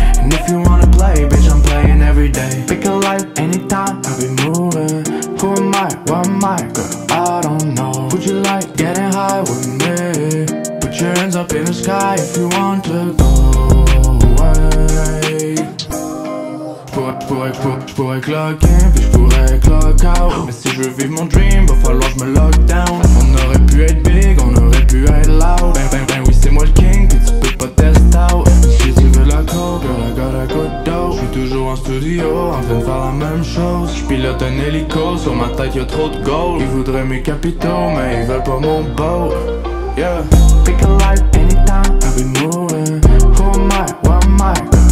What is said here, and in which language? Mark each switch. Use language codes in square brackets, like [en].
[en] And if you wanna play, bitch, I'm playing every day. Pick a life anytime, I'll be moving. Who am I? What am I? Girl, I don't know. Would you like getting high with me? Put your hands up in the sky if you want to go away. [fr] Je pourrais cloquer, puis je pourrais clock out. Mais si je veux vivre mon dream, va falloir je me lock down. On aurait pu être big, on aurait pu être loud. Ben oui c'est moi le king, puis tu peux pas test out. Si tu veux la coke, [en] girl I got a good dough. [fr] J'suis toujours en studio, en train de faire la même chose. J'pilote un hélico, sur ma tête y'a trop de gold. Ils voudraient mes capitaux, mais ils veulent pas mon boat. Yeah. [en] Pick a life anytime, I'll be moving. Who am I, what am I?